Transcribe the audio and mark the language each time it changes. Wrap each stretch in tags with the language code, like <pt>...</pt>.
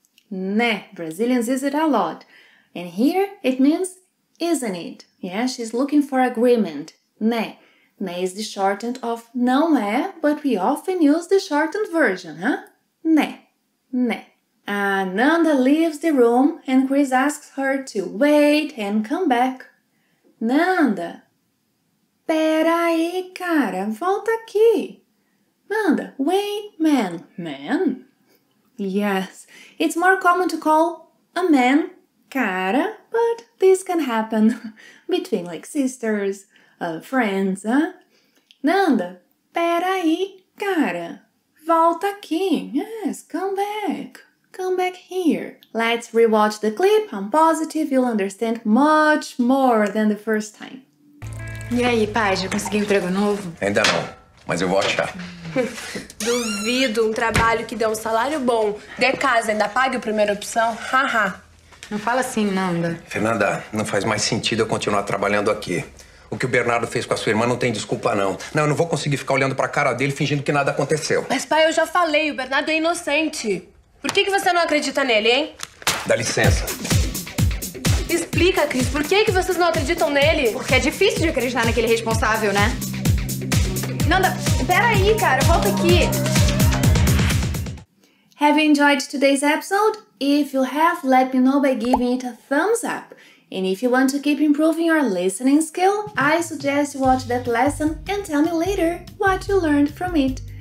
<en>Né, Brazilians use it a lot. And here it means, isn't it? Yeah, she's looking for agreement. Né. Né is the shortened of não é, but we often use the shortened version, huh? Né. Né. Nanda leaves the room and Cris asks her to wait and come back.</en> <pt>Nanda, peraí, cara, volta aqui.</pt> <en>Nanda, wait, man. Man? Yes, it's more common to call a man cara, but this can happen between, like, sisters, friends, huh?</en> <pt>Nanda, peraí, cara, volta aqui.</pt> <en>Yes, come back. Come back here. Let's rewatch the clip. I'm positive you'll understand much more than the first time.</en> <pt>E aí, pai, já conseguiu emprego novo? Ainda não, mas eu vou achar. Duvido um trabalho que dê um salário bom. Dê casa, ainda pague a primeira opção? Haha. Não fala assim, Nanda. Fernanda, não faz mais sentido eu continuar trabalhando aqui. O que o Bernardo fez com a sua irmã não tem desculpa, não. Não, eu não vou conseguir ficar olhando pra cara dele fingindo que nada aconteceu. Mas, pai, eu já falei, o Bernardo é inocente. Por que você não acredita nele, hein? Dá licença. Explica, Cris, por que vocês não acreditam nele? Porque é difícil de acreditar naquele responsável, né? Nanda, peraí, cara, volta aqui.</pt> <en>Have you enjoyed today's episode? If you have, let me know by giving it a thumbs up. And if you want to keep improving your listening skill, I suggest you watch that lesson and tell me later what you learned from it.</en>